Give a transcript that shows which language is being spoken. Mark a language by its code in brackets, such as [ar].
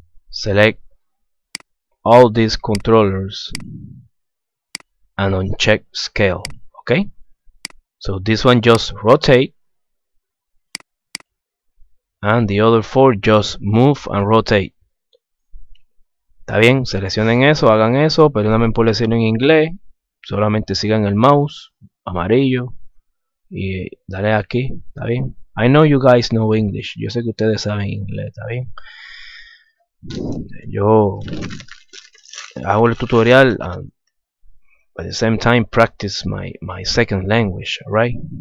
[en] Select all these controllers and uncheck scale. Okay, so this one just rotate and the other four just move and rotate. [es] Está bien, seleccionen eso, hagan eso, perdóname por decirlo en inglés, solamente sigan el mouse amarillo y dale aquí. Está bien, [en] I know you guys know English. [es] Yo sé que ustedes saben inglés, ¿está bien? Yo hago el tutorial [en] and at the same time practice my second language, right?